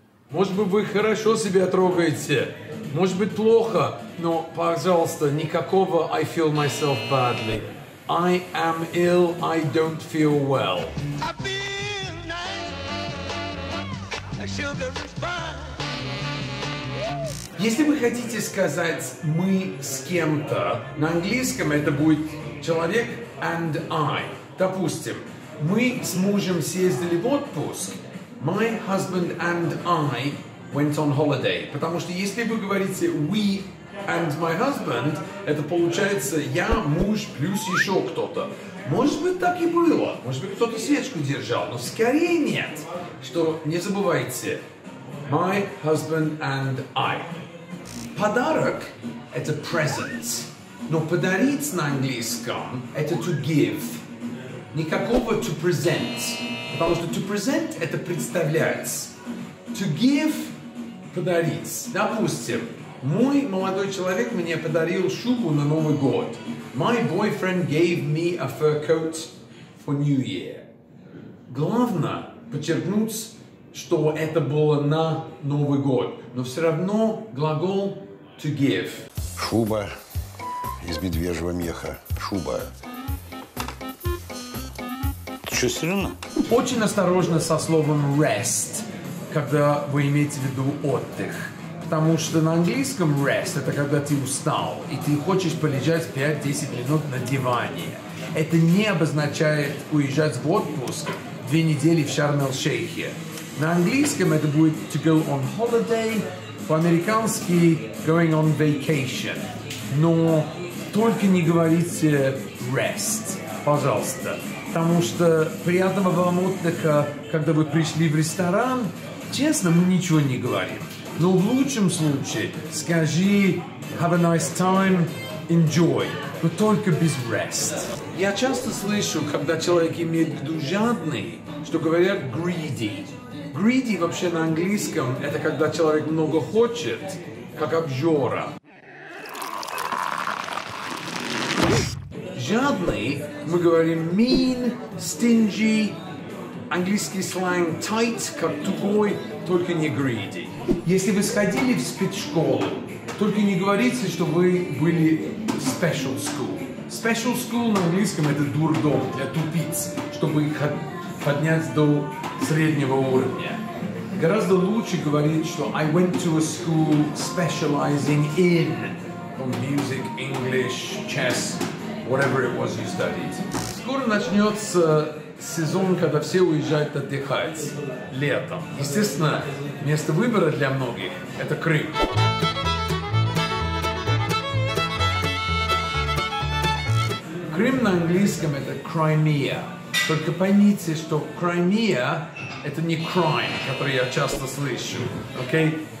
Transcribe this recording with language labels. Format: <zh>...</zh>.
<ru>Может быть, вы хорошо себя трогаете, может быть, плохо, но, пожалуйста, никакого</ru> <en>I feel myself badly. I am ill, I don't feel well. I feel nice, I should be fine.</en> <ru>Если вы хотите сказать «мы с кем-то», на английском это будет «человек» and «I». Допустим, мы с мужем съездили в отпуск.</ru> <en>«My husband and I went on holiday».</en> <ru>Потому что если вы говорите</ru> <en>«we and my husband»,</en> <ru>это получается «я, муж плюс еще кто-то». Может быть, так и было. Может быть, кто-то свечку держал. Но скорее нет. Что не забывайте</ru> <en>«my husband and I».</en> <ru>Подарок – это present, но подарить на английском – это to give. Никакого to present, потому что to present – это представлять. To give – подарить. Допустим, мой молодой человек мне подарил шубу на Новый год.</ru> <en>My boyfriend gave me a fur coat for New Year.</en> <ru>Главное – подчеркнуть, что это было на Новый год, но все равно глагол to give. Шуба из медвежьего меха. Шуба. Ты что, серьезно? Очень осторожно со словом rest, когда вы имеете в виду отдых. Потому что на английском rest – это когда ты устал, и ты хочешь полежать 5-10 минут на диване. Это не обозначает уезжать в отпуск 2 недели в Шарм-эль-Шейхе. На английском это будет</ru> <en>to go on holiday,</en> <ru>по-американски</ru> <en>going on vacation.</en> <ru>Но только не говорите rest, пожалуйста. Потому что приятного вам отдыха, когда вы пришли в ресторан, честно, мы ничего не говорим. Но в лучшем случае скажи</ru> <en>have a nice time, enjoy,</en> <ru>но только без rest. Я часто слышу, когда человек имеет в виду жадный, что говорят greedy. Greedy вообще на английском – это когда человек много хочет, как обжора. Жадный – мы говорим mean, stingy, английский сленг tight, как тугой, только не greedy. Если вы сходили в спецшколу, только не говорите, что вы были special school. Special school на английском – это дурдом для тупиц, чтобы их поднять до среднего уровня. Гораздо лучше говорить, что</ru> <en>I went to a school specializing in music, English, chess, whatever it was you studied.</en> <ru>Скоро начнется сезон, когда все уезжают отдыхать. Летом. Естественно, место выбора для многих – это Крым. Крым на английском – это Crimea. Только поймите, что Crimea – это не crime, который я часто слышу, окей?</ru>